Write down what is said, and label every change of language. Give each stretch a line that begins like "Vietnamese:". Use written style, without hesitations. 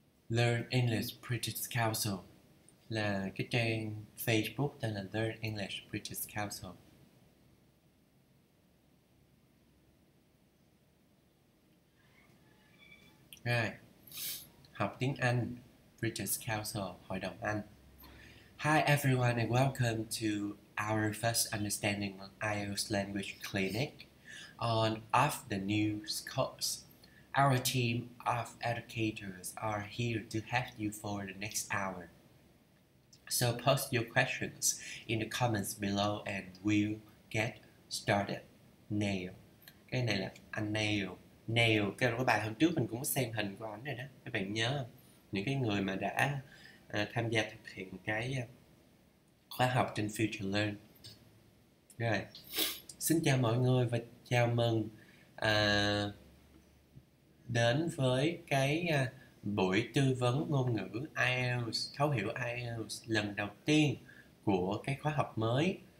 Vietnamese: Learn English British Council là cái trang Facebook tên là Learn English British Council. Right. Học tiếng Anh, British Council, Hội đồng Anh.
English: Hi everyone and welcome to our first understanding IELTS language clinic on off the news course. Our team of educators are here to help you for the next hour. So post your questions in the comments below and we'll get started.
Vietnamese: Nail. Cái này là anh Nail. Nail, cái đó bài hôm trước mình cũng có xem hình của ảnh rồi đó. Các bạn nhớ không? Những cái người mà đã tham gia thực hiện cái khóa học trên Future Learn. Rồi. Xin chào mọi người và chào mừng đến với cái buổi tư vấn ngôn ngữ IELTS, thấu hiểu IELTS lần đầu tiên của cái khóa học mới.